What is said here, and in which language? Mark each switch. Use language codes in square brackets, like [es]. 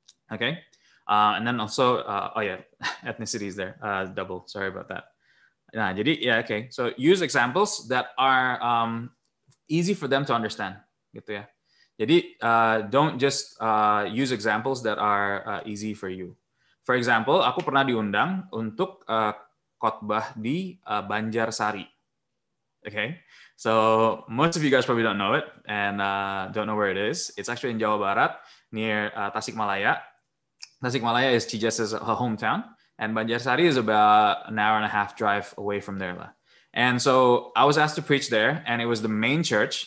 [en] Okay. And then also, ethnicity is there. Double. Sorry about that. [id] Nah, jadi, [en] yeah, okay. So use examples that are easy for them to understand. [id] Gitu ya. Jadi, [en] don't just use examples that are easy for you. For example, [id] aku pernah diundang untuk khotbah di Banjarsari. Okay. [en] So most of you guys probably don't know it and don't know where it is. It's actually in Jawa Barat near Tasikmalaya. Tasikmalaya is Chijas's hometown, and Banjarsari is about an hour and a half drive away from there. And so I was asked to preach there, and it was the main church.